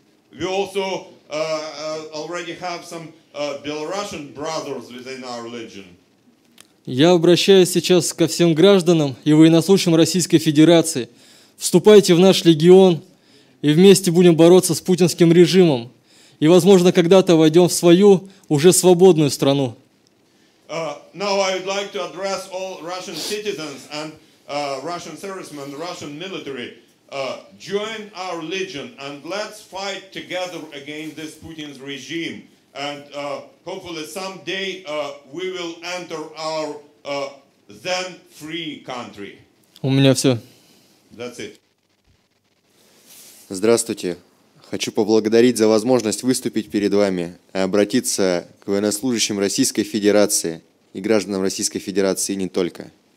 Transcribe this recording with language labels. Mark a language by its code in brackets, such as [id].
[en] We also already have some Belarusian brothers within our legion. [ru] Я обращаюсь сейчас ко всем гражданам и военнослужащим Российской Федерации. Вступайте в наш легион, и вместе будем бороться с путинским режимом. И, возможно, когда-то войдем в свою, уже свободную страну. [en] Now I would like to address all Russian citizens and Russian servicemen, Russian military. Join our legion and let's fight together against this Putin's regime. And hopefully someday we will enter our then free country. [ru] У меня все. [en] That's it. [ru] Здравствуйте. Хочу поблагодарить за возможность выступить перед вами и обратиться к военнослужащим Российской Федерации и гражданам Российской Федерации и не только.